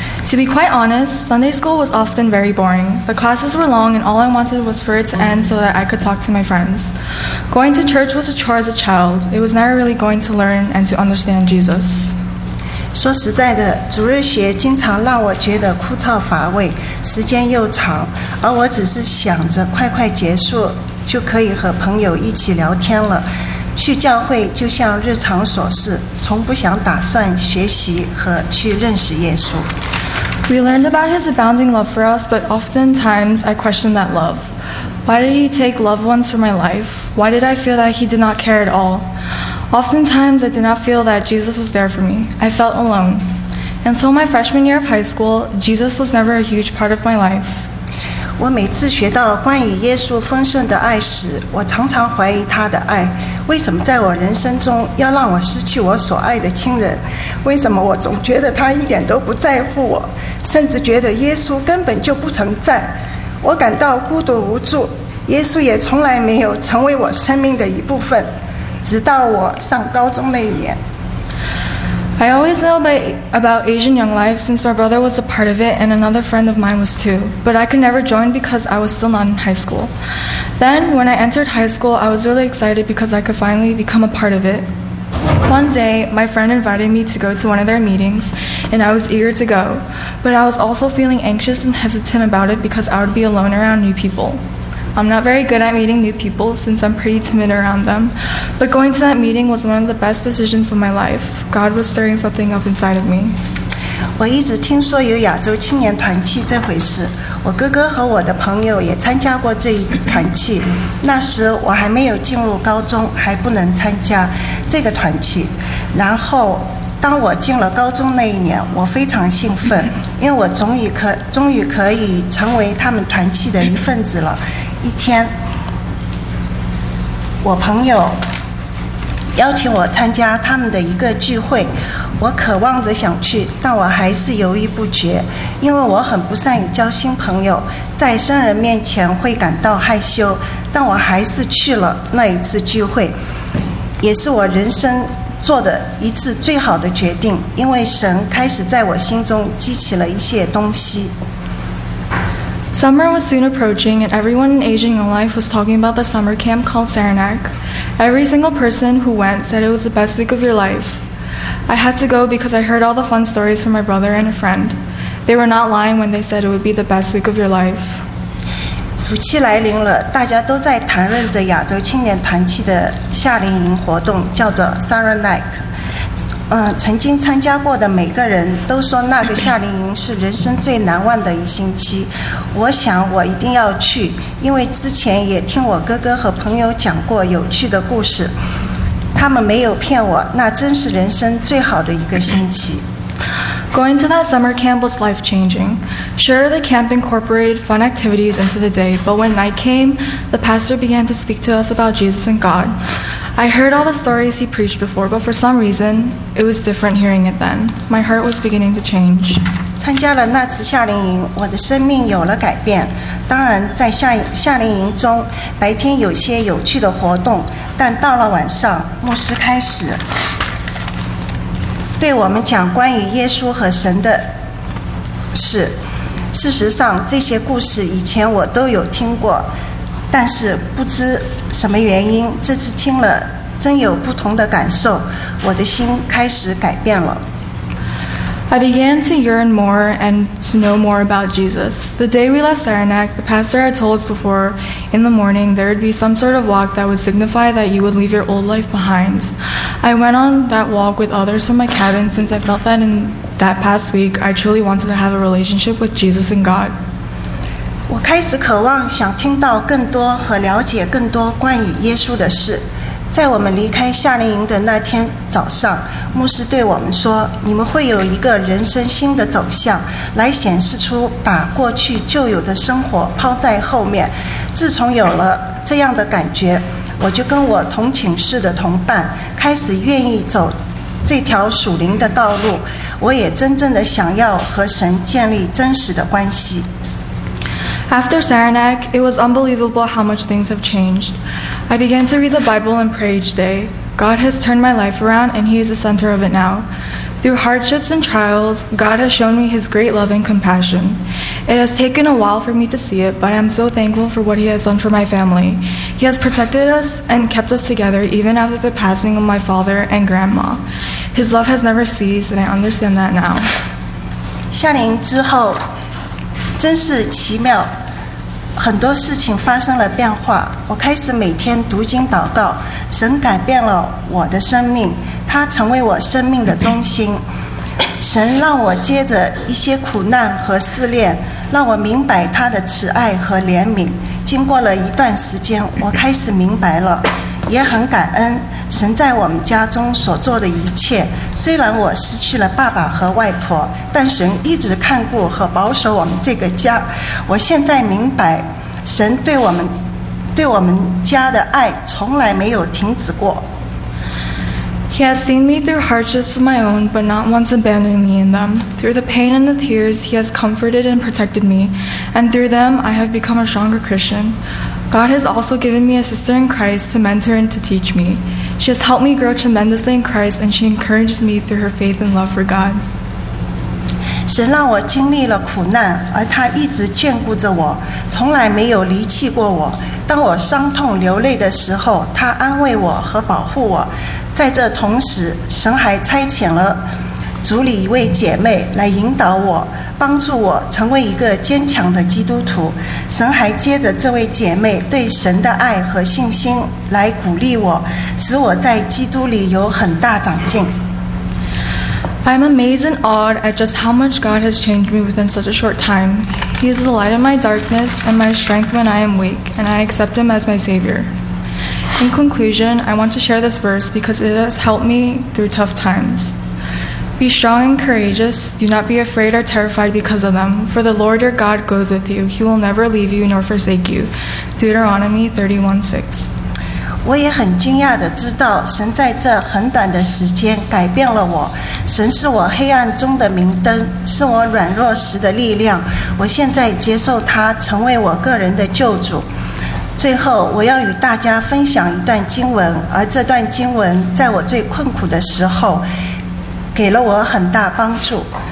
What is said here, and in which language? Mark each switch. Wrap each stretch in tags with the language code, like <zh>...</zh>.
<en>To be quite honest, Sunday school was often very boring. The classes were long and all I wanted was for it to end so that I could talk to my friends. Going to church was a chore as a child. It was never really going to learn and to understand Jesus.</en> <zh>说实在的，主日学经常让我觉得枯燥乏味，时间又长，而我只是想着快快结束，就可以和朋友一起聊天了。去教会就像日常琐事，从不想打算学习和去认识耶稣。</zh> <en>We learned about his abounding love for us, but oftentimes I question that love. Why did he take loved ones from my life? Why did I feel that he did not care at all? Oftentimes I did not feel that Jesus was there for me. I felt alone. And so my freshman year of high school, Jesus was never a huge part of my life.</en> <zh>我每次学到关于耶稣丰盛的爱时，我常常怀疑他的爱。为什么在我人生中要让我失去我所爱的亲人？为什么我总觉得他一点都不在乎我，甚至觉得耶稣根本就不存在？我感到孤独无助，耶稣也从来没有成为我生命的一部分，直到我上高中那一年。</zh> <en>I always know about Asian Young Life since my brother was a part of it and another friend of mine was too, but I could never join because I was still not in high school. Then, when I entered high school, I was really excited because I could finally become a part of it. One day, my friend invited me to go to one of their meetings, and I was eager to go, but I was also feeling anxious and hesitant about it because I would be alone around new people. I'm not very good at meeting new people since I'm pretty timid around them, but going to that meeting was one of the best decisions of my life. God was stirring something up inside of me.</en> <zh>我一直听说有亚洲青年团契这回事，我哥哥和我的朋友也参加过这一团契。那时我还没有进入高中，还不能参加这个团契。然后当我进了高中那一年，我非常兴奋，因为我终于可以成为他们团契的一份子了。一天，我朋友邀请我参加他们的一个聚会，我渴望着想去，但我还是犹豫不决，因为我很不善于交新朋友，在生人面前会感到害羞，但我还是去了那一次聚会，也是我人生做的一次最好的决定，因为神开始在我心中激起了一些东西。</zh> <en>Summer was soon approaching, and everyone in Asian Young Life was talking about the summer camp called Saranac. Every single person who went said it was the best week of your life. I had to go because I heard all the fun stories from my brother and a friend. They were not lying when they said it would be the best week of your life.</en> <zh>暑期来临了，大家都在谈论着亚洲青年团契的夏令营活动，叫做 Saranac。曾经参加过的每个人都说那个夏令营是人生最难忘的一星期。我想我一定要去，因为之前也听我哥哥和朋友讲过有趣的故事，他们没有骗我，那真是人生最好的一个星期。</zh> <en>Going to that summer camp was life-changing. Sure, the camp incorporated fun activities into the day, but when night came, the pastor began to speak to us about Jesus and God. I heard all the stories he preached before, but for some reason, it was different hearing it then. My heart was beginning to change.</en> <zh>参加了那次夏令营，我的生命有了改变。当然，在夏令营中，白天有些有趣的活动，但到了晚上，牧师开始对我们讲关于耶稣和神的事。事实上，这些故事以前我都有听过，但是不知什么原因，这次听了真有不同的感受，我的心开始改变了。</zh> <en>I began to yearn more and to know more about Jesus. The day we left Saranac, the pastor had told us before in the morning there would be some sort of walk that would signify that you would leave your old life behind. I went on that walk with others from my cabin since I felt that in that past week I truly wanted to have a relationship with Jesus and God.</en> <zh>我开始渴望想听到更多和了解更多关于耶稣的事。在我们离开夏令营的那天早上，牧师对我们说，你们会有一个人生新的走向，来显示出把过去旧有的生活抛在后面。自从有了这样的感觉，我就跟我同寝室的同伴开始愿意走这条属灵的道路，我也真正的想要和神建立真实的关系。</zh> <en>After Saranac, it was unbelievable how much things have changed. I began to read the Bible and pray each day. God has turned my life around and He is the center of it now. Through hardships and trials, God has shown me His great love and compassion. It has taken a while for me to see it, but I am so thankful for what He has done for my family. He has protected us and kept us together even after the passing of my father and grandma. His love has never ceased, and I understand that now.</en> <zh>夏琳之后真是奇妙，很多事情发生了变化。我开始每天读经祷告，神改变了我的生命，他成为我生命的中心。神让我接着一些苦难和试炼，让我明白他的慈爱和怜悯。经过了一段时间，我开始明白了，也很感恩神在我们家中所做的一切。虽然我失去了爸爸和外婆，但神一直看顾和保守我们这个家。我现在明白神对我们家的爱从来没有停止过。</zh> <en>He has seen me through hardships of my own, but not once abandoned me in them. Through the pain and the tears, He has comforted and protected me, and through them, I have become a stronger Christian. God has also given me a sister in Christ to mentor and to teach me. She has helped me grow tremendously in Christ, and she encourages me through her faith and love for God.</en> <zh>神让我经历了苦难，而他一直眷顾着我，从来没有离弃过我。当我伤痛流泪的时候，他安慰我和保护我。在这同时，神还差遣了组里一位姐妹来引导我，帮助我成为一个坚强的基督徒。神还接着这位姐妹对神的爱和信心来鼓励我，使我在基督里有很大长进。</zh> <en>I'm amazed and awed at just how much God has changed me within such a short time. He is the light of my darkness and my strength when I am weak, and I accept Him as my Savior. In conclusion, I want to share this verse because it has helped me through tough times. Be strong and courageous. Do not be afraid or terrified because of them. For the Lord your God goes with you. He will never leave you nor forsake you. Deuteronomy 31:6.</en> <zh>我也很惊讶地知道神在这很短的时间改变了我。神是我黑暗中的明灯，是我软弱时的力量。我现在接受他成为我个人的救主。最后，我要与大家分享一段经文，而这段经文在我最困苦的时候给了我很大帮助。</zh>